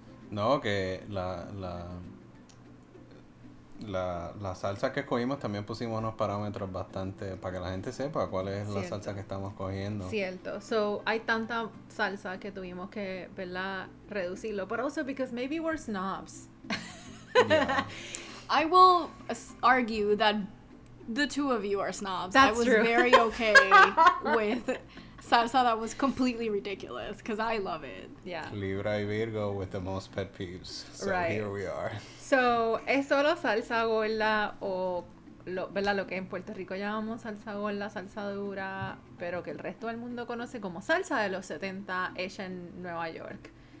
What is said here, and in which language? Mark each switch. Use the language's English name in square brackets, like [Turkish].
[Spanish] No, que la salsa que escogimos, también pusimos unos parámetros bastante para que la gente sepa cuál es la salsa que estamos cogiendo. Cierto. So, hay tanta salsa que tuvimos que, ¿verdad?, reducirlo. [English] But also because maybe we're snobs. Yeah. I will argue that the two of you are snobs. That's true. I was very okay with salsa that was completely ridiculous, because I love it. Yeah. Libra y Virgo with the most pet peeves. So right. Here we are. [Spanish] So, ¿es solo salsa gorda o lo que en Puerto Rico llamamos salsa gorda, salsa dura, pero que el resto del mundo conoce como salsa de los 70, hecha en Nueva York?